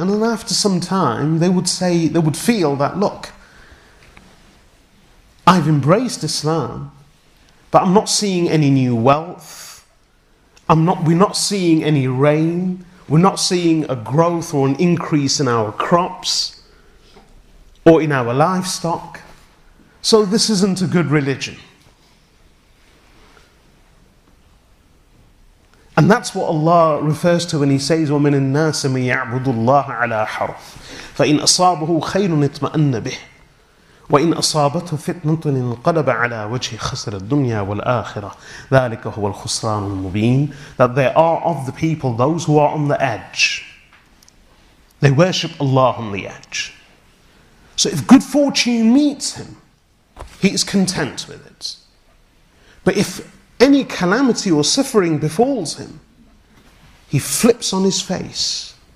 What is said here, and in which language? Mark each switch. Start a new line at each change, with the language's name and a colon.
English: And then after some time, they would feel that, look, I've embraced Islam, but I'm not seeing any new wealth. We're not seeing any rain. We're not seeing a growth or an increase in our crops or in our livestock. So this isn't a good religion. And that's what Allah refers to when he says,
Arabic: وَمِنَ النَّاسِ مَنْ يَعْبُدُ اللَّهَ عَلَى حَرْفٍ فَإِنْ أَصَابَهُ خَيْرٌ اطْمَأَنَّ بِهِ وَإِنْ أَصَابَتْهُ فِتْنَةٌ انْقَلَبَ عَلَىٰ وَجْهِ خَسْرَ الدُّنْيَا وَالْآخِرَةِ ذَٰلِكَ هُوَ الْخُسْرَانُ الْمُبِينُ.
English: That they are of the people, those who are on the edge. They worship Allah on the edge. So if good fortune meets him, he is content with it. But if any calamity or suffering befalls him, he flips on his face.